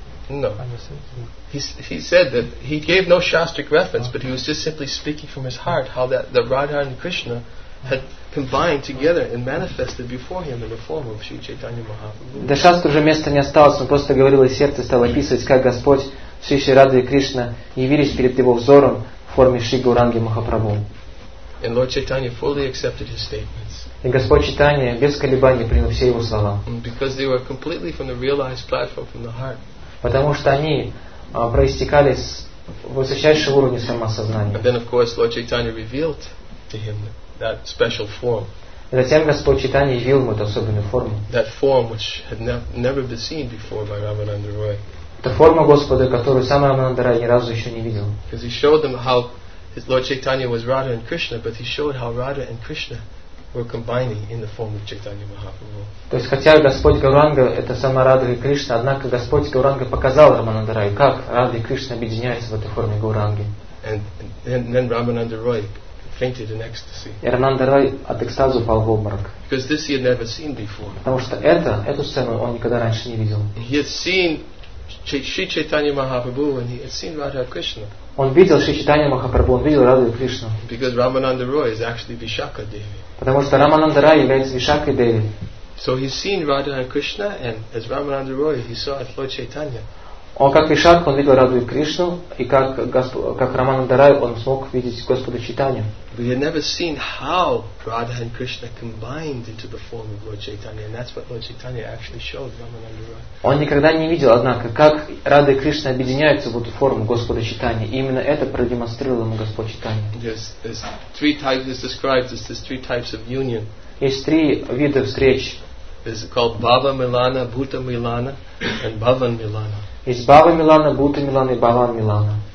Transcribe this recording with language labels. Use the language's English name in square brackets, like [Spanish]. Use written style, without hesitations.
[English] No. He said that he gave no shastric reference, okay. But he was just simply speaking from his heart how that the Radha and Krishna had combined together and manifested before him in the form of Sri Chaitanya Mahaprabhu. [Russian] До шастр уже места не осталось, он просто говорил из сердца, стал описывать, как Господь Шри Шри Радха и Кришна явились перед его взором в форме Шри Гауранги Махапрабху. [English] And Lord Chaitanya fully accepted his statements. [Russian] И Господь Чайтанья без колебаний принял все его слова. [English] Because they were completely from the realized platform from the heart. [Russian] Потому что они проистекали с высочайшего уровня самосознания. [English] And then, of course, Lord Chaitanya revealed to him that special form. [Russian] И затем Господь Чайтанья явил ему эту особенную форму. [English] That form which had never been seen before by Ramananda Roy. [Russian] Та форма Господа, которую сам Рамананда Рай ни разу еще не видел. [English] Because he showed them how Lord Chaitanya was Radha and Krishna, but he showed how Radha and Krishna were combining in the form of Chaitanya Mahaprabhu. [Russian] То есть хотя Господь Гауранга это сама Радха и Кришна, однако Господь Гауранга показал Рамананда Рай, как Радха и Кришна объединяются в этой форме Гауранги. [English] And then Ramananda Roy fainted in ecstasy. [Russian] И Рамананда Рай от экстаза упал в обморок. [English] Because this he had never seen before. [Russian] Потому что эту сцену он никогда раньше не видел. [English] He had seen Shri Chaitanya Mahaprabhu and he had seen Radha Krishna. [Russian] Он видел Шри Чайтанья Махапрабху, он видел Радху и Кришну. [English] Because Ramananda Roy is actually Vishakha Devi. [Russian] Потому что Рамананда Рай является Вишакхой Деви. [English] So he's seen Radha and Krishna, and as Ramananda Roy, he saw as Lord Chaitanya. [Russian] Он как Вишакха, он видел Радху и Кришну, и как Рамананда Рай, он смог видеть Господа Чайтанью. [English] But he had never seen how Radha and Krishna combined into the form of Lord Chaitanya, and that's what Lord Chaitanya actually showed Ramananda Roy. [Russian] Он никогда не видел, однако, как Радха и Кришна объединяются в эту форму Господа Чайтанья. Именно это продемонстрировал ему Господь Чайтанья. [English] There's three types is described. There's three types of union. [Russian] Есть три вида встреч. [English] It's called Bhava Milana, Bhuta Milana, and Bhavan Milana. [Russian] Есть Bhava Milana, Bhuta Milana, и Bhavan Milana.